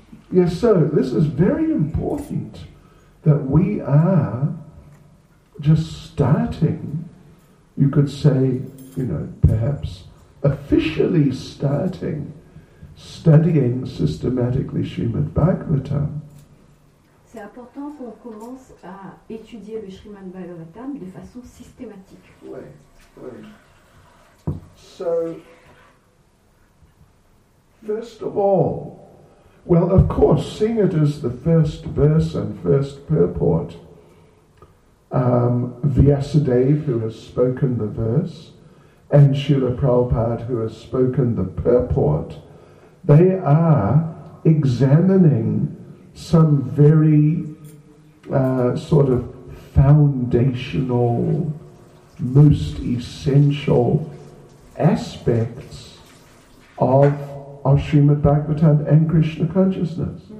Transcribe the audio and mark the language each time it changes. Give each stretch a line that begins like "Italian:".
English: Yes, so this is very important that we are just starting, you could say, you know, perhaps officially starting studying systematically Srimad Bhagavatam.
French: C'est important qu'on commence à étudier le Srimad Bhagavatam de façon systématique. Oui.
English: So, first of all, well, of course, seeing it as the first verse and first purport, Vyasadeva, who has spoken the verse, and Srila Prabhupada, who has spoken the purport, they are examining some very sort of foundational, most essential aspects of Srimad Bhagavatam and Krishna consciousness.